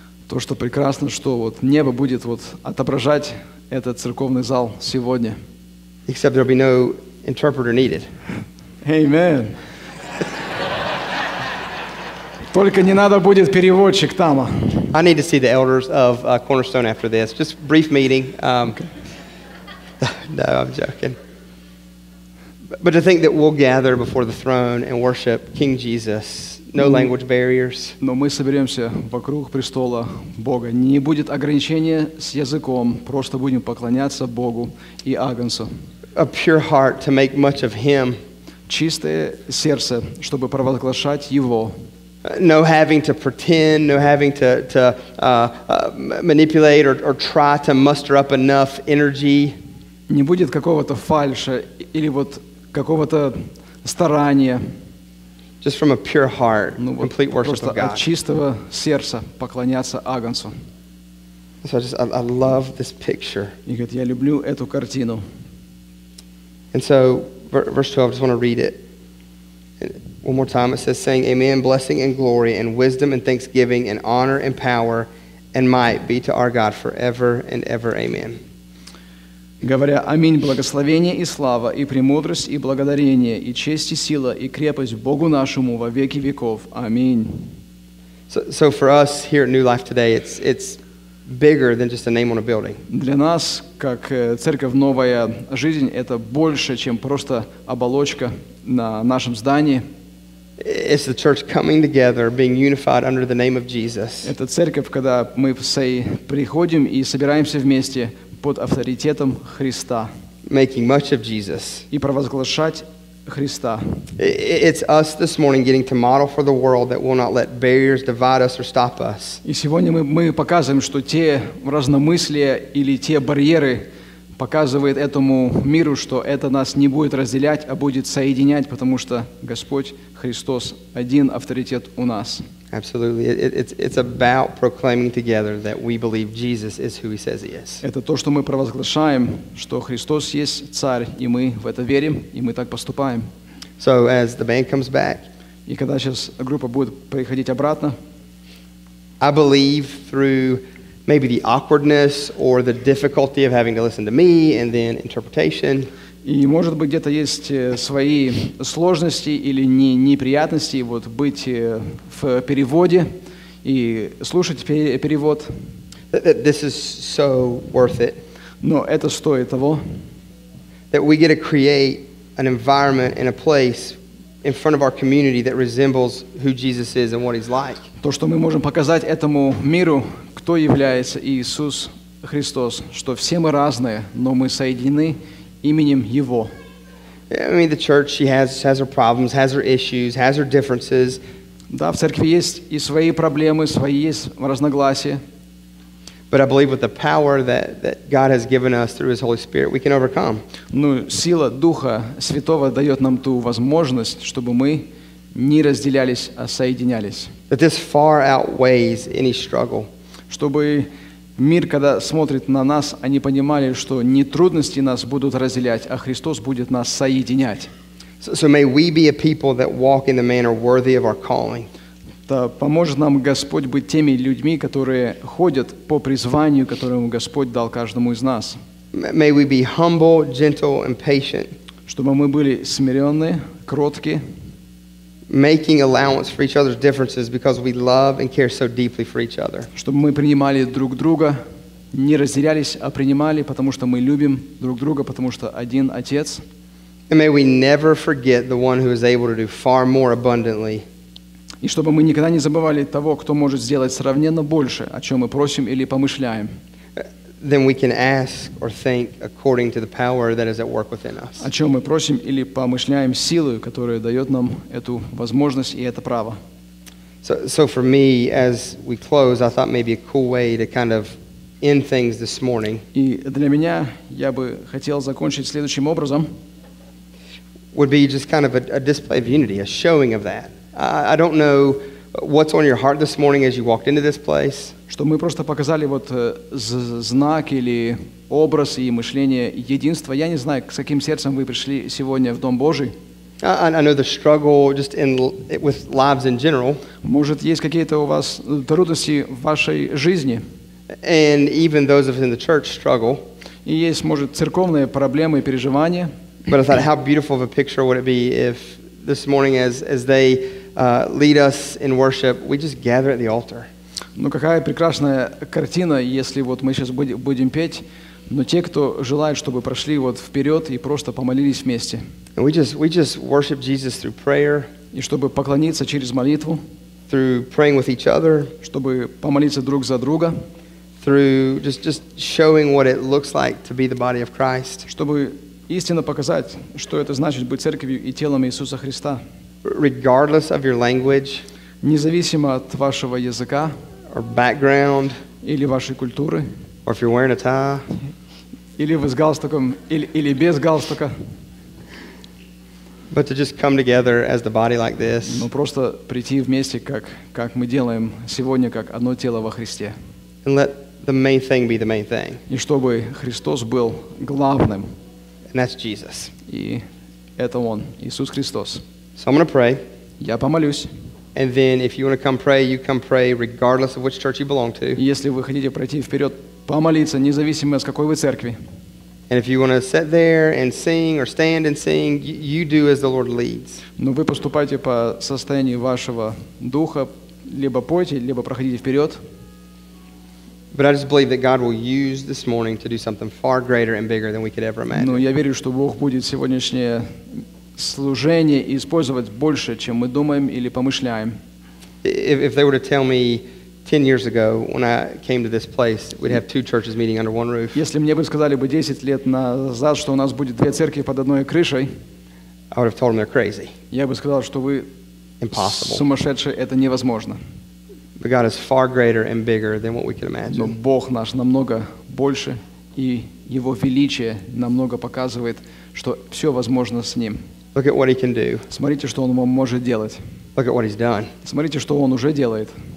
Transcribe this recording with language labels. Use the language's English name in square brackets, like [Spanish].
[Russian] То, что прекрасно, что вот небо будет вот отображать этот церковный зал сегодня. [English] Except there'll be no interpreter needed. Amen. [Russian] Только не надо будет переводчик там. [English] I need to see the elders of Cornerstone after this. Just brief meeting. No, I'm joking. But to think that we'll gather before the throne and worship King Jesus, no language barriers. [Russian] Но мы соберемся вокруг престола Бога. Не будет ограничения с языком. Просто будем поклоняться Богу и Агнцу. [English] A pure heart to make much of Him. [Russian] Чистое сердце, чтобы провозглашать Его. [English] No having to pretend, no having to manipulate or try to muster up enough energy. [Russian] Не будет какого-то фальша или вот какого-то старания. [English] Just from a pure heart, complete worship of God. [Russian] Просто от чистого сердца поклоняться Агнцу. [English] So I love this picture. [Russian] И говорит, я люблю эту картину. [English] And so, verse 12, I just want to read it. One more time, it says, saying, Amen, blessing and glory and wisdom and thanksgiving and honor and power and might be to our God forever and ever. Amen. [Russian] Говоря, аминь, благословение и слава, и премудрость, и благодарение, и честь, и сила, и крепость Богу нашему во веки веков. Аминь. [English] So for us here at New Life today, it's bigger than just a name on a building. [Russian] Для нас, как церковь «Новая жизнь», это больше, чем просто оболочка на нашем здании. [English] It's the church coming together, being unified under the name of Jesus. [Russian] Это церковь, когда мы все приходим и собираемся вместе под авторитетом Христа. [English] Making much of Jesus. [Russian] И провозглашать Христа. [English] It's us this morning getting to model for the world that will not let barriers divide us or stop us. [Russian] И сегодня мы показываем, что те разномыслия или те барьеры показывает этому миру, что это нас не будет разделять, а будет соединять, потому что Господь Христос один авторитет у нас. [English] Absolutely. It's about proclaiming together that we believe Jesus is who he says he is. [Russian] Это то, что мы провозглашаем, что Христос есть Царь, и мы в это верим, и мы так поступаем. [English] So as the band comes back, [Russian] и когда сейчас группа будет приходить обратно, [English] I believe through maybe the awkwardness or the difficulty of having to listen to me and then interpretation. [Russian] И может быть где-то есть свои сложности или неприятности вот быть в переводе и слушать перевод. [English] This is so worth it. [Russian] Но это стоит того. [English] That we get to create an environment and a place in front of our community that resembles who Jesus is and what he's like. [Russian] То, что мы можем показать этому миру, кто является Иисус Христос, что все мы разные, но мы соединены именем Его. [English] I mean, the church, she has her problems, has her issues, has her differences. [Russian] Да, в церкви есть и свои проблемы, свои есть разногласия. [English] But I believe with the power that God has given us through His Holy Spirit, we can overcome. [Russian] Ну, сила Духа Святого дает нам ту возможность, чтобы мы не разделялись, а соединялись. [English] That this far outweighs any struggle. [Russian] Чтобы мир, когда смотрит на нас, они понимали, что не трудности нас будут разделять, а Христос будет нас соединять. [English] So may we be a people that walk in the manner worthy of our calling. [Russian] Да поможет нам Господь быть теми людьми, которые ходят по призванию, которому Господь дал каждому из нас. [English] May we be humble, gentle, and patient. [Russian] Чтобы мы были смиренные, кроткие. [English] Making allowance for each other's differences because we love and care so deeply for each other. [Russian] Чтобы мы принимали друг друга, не разделялись, а принимали, потому что мы любим друг друга, потому что один Отец. [English] And may we never forget the one who is able to do far more abundantly. [Russian] И чтобы мы никогда не забывали того, кто может сделать сравненно больше, о чем мы просим или помышляем. [English] Then we can ask or think according to the power that is at work within us. [Russian] О чем мы просим или помышляем силой, которая дает нам эту возможность и это право. [English] So for me, as we close, I thought maybe a cool way to kind of end things this morning. [Russian] И для меня я бы хотел закончить следующим образом. [English] Would be just kind of a display of unity, a showing of that. I don't know what's on your heart this morning as you walked into this place. [Russian] Что мы просто показали вот знак или образ и мышление единства. Я не знаю, с каким сердцем вы пришли сегодня в Дом Божий. [English] I know the struggle just in with lives in general. [Russian] Может, есть какие-то у вас трудности в вашей жизни. [English] And even those within the church struggle. [Russian] И есть, может, церковные проблемы и переживания. [English] But I thought, how beautiful of a picture would it be if this morning, as they lead us in worship, we just gather at the altar. [Russian] Ну какая прекрасная картина, если вот мы сейчас будем петь, но те, кто желает, чтобы прошли вот вперед и просто помолились вместе. [English] And we just worship Jesus through prayer. [Russian] И чтобы поклониться через молитву. [English] Through praying with each other. [Russian] Чтобы помолиться друг за друга. [English] Through just showing what it looks like to be the body of Christ. [Russian] Чтобы истинно показать, что это значит быть церковью и телом Иисуса Христа. [English] Regardless of your language. [Russian] Независимо от вашего языка. [English] Or background. [Russian] Или вашей культуры. [English] Or if you're wearing a tie. [Russian] Или вы с галстуком, или без галстука. [English] But to just come together as the body like this. [Russian] Ну просто прийти вместе, как мы делаем сегодня, как одно тело во Христе. [English] And let the main thing be the main thing. [Russian] И чтобы Христос был главным. [English] And that's Jesus. [Russian] И это Он, Иисус Христос. [English] So I'm going to pray. [Russian] Я помолюсь. [English] And then if you want to come pray, you come pray regardless of which church you belong to. [Russian] Если вы хотите пройти вперед, помолиться, независимо с какой вы церкви. [English] And if you want to sit there and sing or stand and sing, you do as the Lord leads. [Russian] Но вы поступайте по состоянию вашего духа, либо пойте, либо проходите вперед. [English] But I just believe that God will use this morning to do something far greater and bigger than we could ever imagine. [Russian] Но я верю, что Бог будет сегодняшнее служение использовать больше, чем мы думаем или помышляем. [English] If they were to tell me 10 years ago, when I came to this place, we'd have two churches meeting under one roof. [Russian] Если мне бы сказали бы 10 лет назад, что у нас будет две церкви под одной крышей, [English] I would have told them they're crazy. [Russian] Я бы сказал, что вы [English] impossible. [Russian] Сумасшедшие, это невозможно. [English] But God is far greater and bigger than what we could imagine. [Russian] Но Бог наш намного больше, и Его величие намного показывает, что все возможно с Ним. [English] Look at what He can do. [Russian] Смотрите, что Он может делать. [English] Look at what He's done. [Russian] Смотрите, что Он уже делает.